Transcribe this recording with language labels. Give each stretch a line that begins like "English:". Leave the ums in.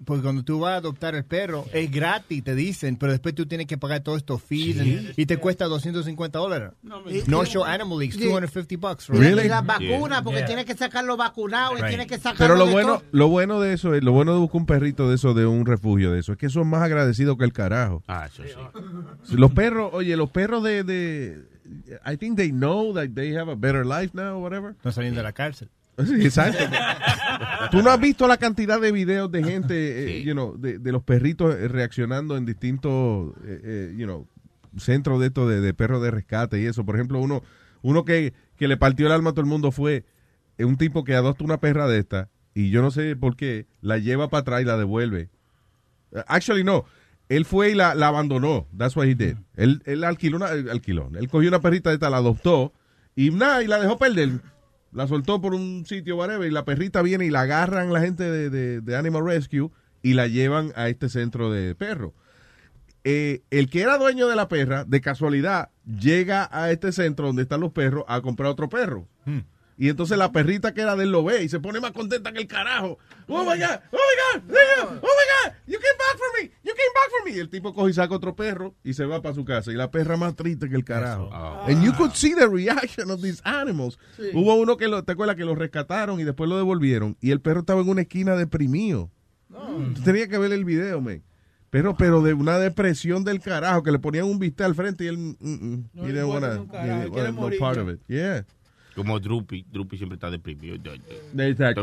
Spanish: Porque cuando tú vas a adoptar el perro, sí. es gratis, te dicen. Pero después tú tienes que pagar todos estos fees sí. y te cuesta 250 dólares. No, me no sé. Show Animal League, yeah.
English: hundred 250 bucks. Right? Really?
Spanish: Y la vacuna, yeah. porque yeah. tienes que sacarlo vacunado right. y tienes que sacarlo. Pero lo, bueno, lo bueno de eso es, lo bueno de buscar un perrito de eso, de un refugio de eso, es que son es más agradecidos que el carajo. Ah, eso sí. Soy. Los perros, oye, los perros de, de.
English: I think they know that they have a better life now, or whatever.
Spanish: No saliendo de la cárcel. Sí, exacto. Tú no has visto la cantidad de videos de gente, sí. eh, you know, de, de, los perritos reaccionando en distintos, eh, eh, you know, centros de estos de, de, perros de rescate y eso. Por ejemplo, uno, uno que, que, le partió el alma a todo el mundo fue un tipo que adoptó una perra de esta y yo no sé por qué la lleva para atrás y la devuelve.
English: Actually, no.
Spanish: Él fue y la, la abandonó.
English: That's what he did. Yeah.
Spanish: Él, él alquiló una, alquilón, Él cogió una perrita de esta, la adoptó y nada, y la dejó perder la soltó por un sitio, whatever, y la perrita viene y la agarran la gente de, de, de Animal Rescue y la llevan a este centro de perros. Eh, el que era dueño de la perra, de casualidad, llega a este centro donde están los perros a comprar otro perro. Hmm. Y entonces la perrita que era de él lo ve y se pone más contenta que el carajo.
English: Oh, my God, oh my God, oh my God, oh my God. you came back for me, you came back for me.
Spanish: Y el tipo coge y saca otro perro y se va para su casa. Y la perra más triste que el carajo.
English: Oh, wow. And you could see the reaction of these animals.
Spanish: Sí. Hubo uno que, lo, ¿te acuerdas? Que lo rescataron y después lo devolvieron. Y el perro estaba en una esquina deprimido. No. Entonces tenía que ver el video, men pero, wow. pero de una depresión del carajo, que le ponían un vistazo al frente y él... Mm -mm, no, como Drupi, Drupi siempre está deprimido. Exacto,